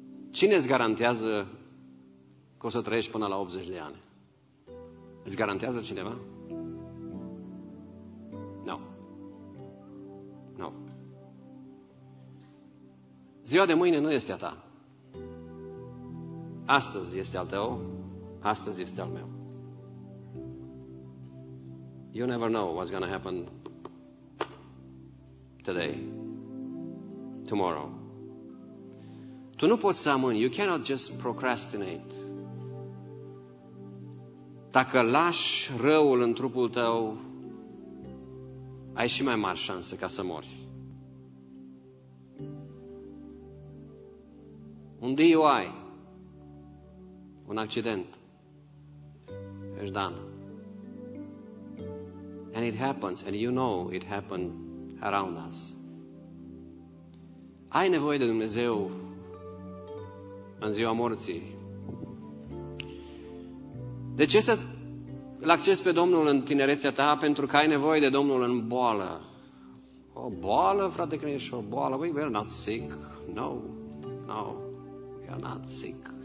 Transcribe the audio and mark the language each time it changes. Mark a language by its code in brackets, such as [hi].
[ro] Cine îți garantează că o să trăiești până la 80 de ani? Îți garantează cineva? Nu. Ziua de mâine nu este a ta. Astăzi este al tău, astăzi este al meu. [en] You never know what's going to happen today, tomorrow. [ro] Tu nu poți să amâni, [en] you cannot just procrastinate. [ro] Dacă lași răul în trupul tău, ai și mai mari șanse ca să mori. Un DUI, un accident, ești dan. [en] And it happens, and you know it happened around us. [ro] Ai nevoie de Dumnezeu în ziua morții. De ce să îl accesi pe Domnul în tinerețea ta? Pentru că ai nevoie de Domnul în boală. O boală, frate Crăniș, o boală. [en] We are not sick. No, no, we are not sick.